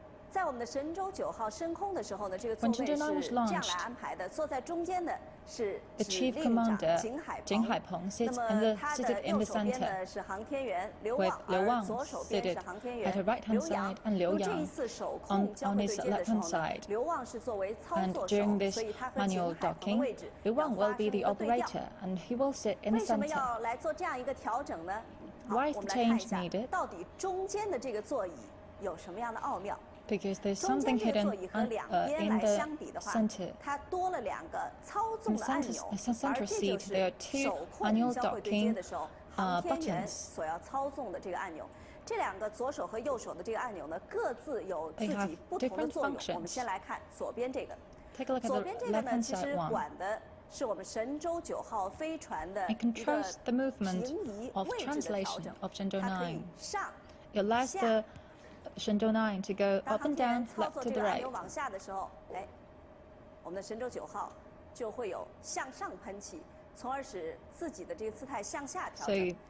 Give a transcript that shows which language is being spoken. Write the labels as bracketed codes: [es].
[zh] 在我们的神舟九号升空的时候呢，这个座位是 [en] When Shenzhou 9 was launched, [zh] 这样来安排的。坐在中间的是 [en] Chief Commander 景海鹏 sits in the seated in the center. [zh] 那么他的右手边呢是航天员刘旺，而左手边是航天员 [en] at her right hand side, and Liu Yang on his left hand side. [zh] 刘旺是作为操作手，所以他和景海鹏的位置。 [en] And during this manual docking, Liu Wang will be the operator, and he will sit in the center. [zh] 为什么要来做这样一个调整呢？ [en] Why is the change needed? [zh] 到底中间的这个座椅有什么样的奥妙？ [en] Because there's something hidden in the center. In the center seat, there are two manual docking buttons. They have different functions. Take a look at the left-hand side one. It controls the movement of translation of Shenzhou 9. It allows the Shenzhou 9 to go up and down, left to the right. [zh] 我们的神舟九号就会有向上喷气，从而使自己的这个姿态向下调整。So